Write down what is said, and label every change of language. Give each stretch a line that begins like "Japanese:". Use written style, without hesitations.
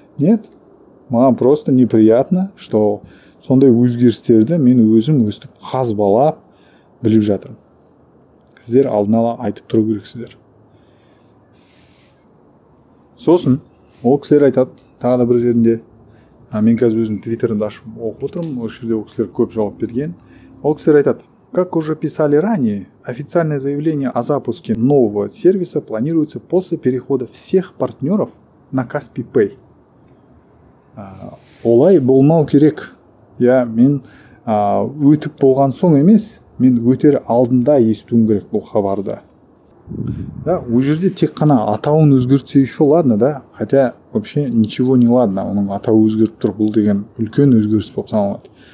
Russian: Нет,
Kazakh: маған
Russian: просто неприятно, что
Kazakh: сондай өзгерістерді мен өзім өстіп қазбалап біліп жатырмын. Сіздер алдын ала айтып тұру керексіздер. Сосын, ол кісілер айтады, тағы бір жерінде, мен қазір өзім твиттерімді ашып оқып отырмын, осы жерде ол кісілер көп жауап берген. Ол кісілер айтады,
Russian: как уже писали ранее, официальное заявление о запуске нового сервиса планируется после перехода всех партнеров на Каспи Пэй.
Kazakh: Олай болмау керек. Я, мен өтіп болған соң емес, мен өтер алдында естуім керек бұл хабарды. Да, ол жерде тек қана атауын өзгертсе
Russian: еще ладно,
Kazakh: да?
Russian: Хотя, вообще, ничего не ладно,
Kazakh: оның атауы өзгеріп тұр, бұл деген үлкен өзгеріс болып саналады.